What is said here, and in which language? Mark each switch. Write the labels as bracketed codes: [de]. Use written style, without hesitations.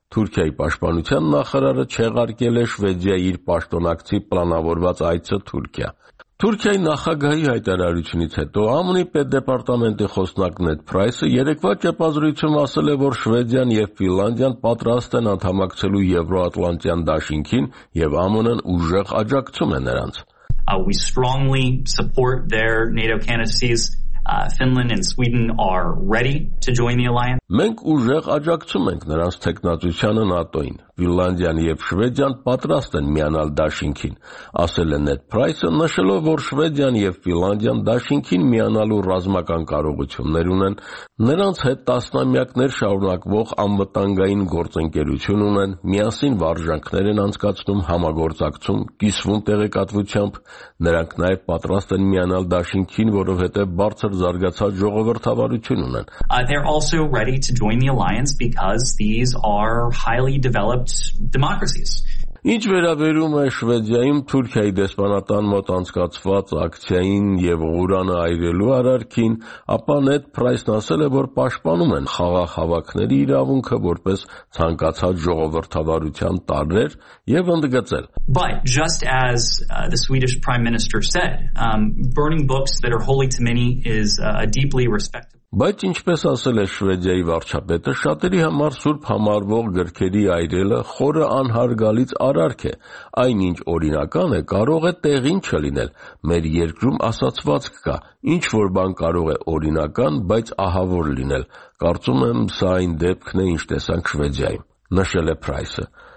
[hy] Թուրքիայի պաշտպանության նախարարը չեղարկել է Շվեդիայի իր պաշտոնակցի պլանավորված այցը Թուրքիա։ Թուրքիայի նախագահի հայտարարությունից հետո ԱՄՆ-ի պետդեպարտամենտի խոսնակ Ned Price-ը երեկվա ճեպազրույցում ասել է, որ Շվեդիան և Ֆինլանդիան պատրաստ են անդամակցելու Եվրոատլանտյան դաշինքին և ԱՄՆ-ն ուժեղ աջակցում է նրանց։ [en] We strongly support their NATO candidacies. Finland and Sweden are ready to join the alliance. [hy] Մենք ուժեղ աջակցում ենք նրանց թեկնածությանը ՆԱՏՕ-ին։ Ֆինլանդիան և Շվեդիան պատրաստ են միանալ դաշինքին, ասել է Ned Price-ը, նշելով, որ Շվեդիան և Ֆինլանդիան դաշինքին միանալու ռազմական կարողություններ ունեն, նրանց հետ տասնամյակներ շարունակվող անվտանգային գործընկերություն ունեն, միասին վարժանքներ են անցկացնում, համագործակցում, կիսվում տեղեկատվությամբ, նրանք նաև պատրաստ են միանալ դաշինքին, որովհետև բարձր զարգացած ժողովրդավարություն ունեն։ [en] Ready to join the alliance because these are highly developed democracies. [hy] Ինչ վերաբերում է Շվեդիայում Թուրքիայի դեսպանատան մոտ անցկացված ակցիային և ուրանը այրելու արարքին, ապա Ned Price-ն ասել է, որ պաշտպանում են խաղաղ հավաքների իրավունքը որպես ցանկացած ժողովրդավարության տարրեր և ընդգծել. [en] But just as the Swedish Prime Minister said, burning books that are holy to many is a deeply respected. [hy] Բայց ինչպես ասել է Շվեդիայի վարչապետը, շատերի համար սուրբ համարվող գրքերի այրելը խորը անհարգալից արարք է, այնինչ օրինական է, կարող է տեղին չլինել, մեր երկրում ասացված կա, ինչ որ բան կարող է օրինական, բայց ահավոր լինել, կարծում եմ սա այն դեպքն է, ինչ տեսանք Շվեդիայում, նշել է Price-ը։